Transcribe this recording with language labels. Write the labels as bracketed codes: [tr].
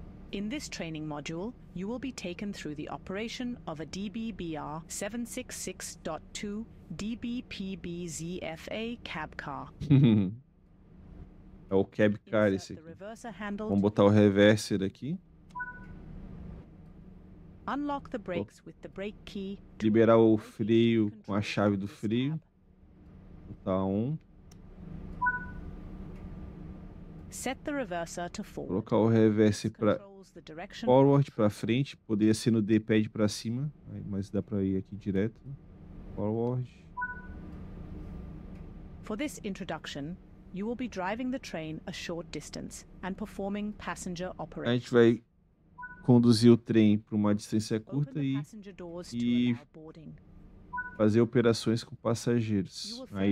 [en] In this training module, you will be taken through the operation of a DBBR 766.2 DBPBZFA cab car. [pt] É o cab car esse aqui. Vamos botar o reverser aqui. [en] Unlock the brakes with the brake key. [pt] Liberar o freio com a chave do freio. Botar um. [en] Set the reverser to forward. [pt] Colocar o reverse para forward para frente, poderia ser no D-pad para cima, mas dá para ir aqui direto. [en] Forward. For this introduction, you will be driving the train a short distance and performing passenger operations. [pt] A gente vai conduzir o trem para uma distância curta e fazer operações com passageiros.